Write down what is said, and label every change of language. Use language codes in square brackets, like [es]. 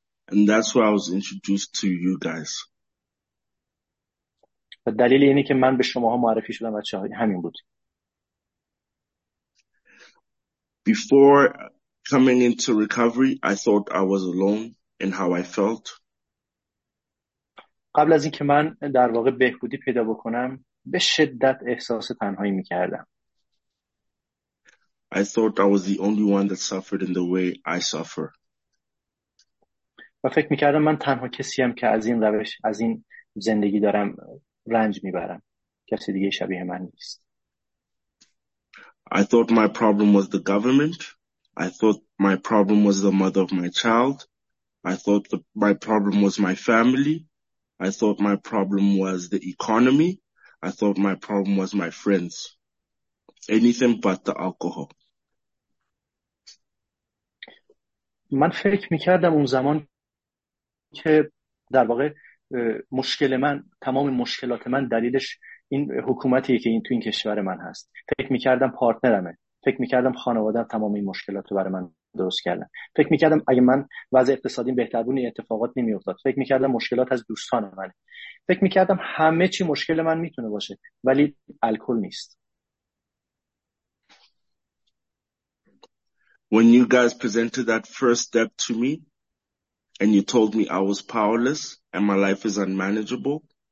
[en] And that's why I was introduced to you guys. [fa] و دلیل اینی که من به شماها معرفی شدم بچه های همین بود. [en] Before coming into recovery, I thought I was alone in how I felt. [fa] قبل از اینکه من در واقع بهبودی پیدا بکنم، به شدت احساس تنهایی میکردم. [en] I thought I was the only one that suffered in the way I suffer. [fa] و فکر میکردم من تنها کسیم که از این روش، از این زندگی دارم رنج میبرم. کسی دیگه شبیه من نیست. [en] I thought my problem was the government. I thought my problem was the mother of my child. I thought my problem was my family. I thought my problem was the economy. I thought my problem was my friends. Anything but the alcohol. [fa] من فکر میکردم اون زمان که در واقع مشکل من، تمام مشکلات من دلیلش این حکومتیه که این تو این کشور من هست. فکر میکردم پارتنرمه. فکر میکردم خانوادم تمام این مشکلات رو برای من درست کردن. فکر میکردم اگه من وضع اقتصادیم بهتر بود این اتفاقات نمیافتاد. فکر میکردم مشکلات از دوستان منه. فکر میکردم همه چی مشکل من میتونه باشه، ولی الکل نیست. [en] When you guys presented that first step to me and you told me I was powerless and my life is unmanageable,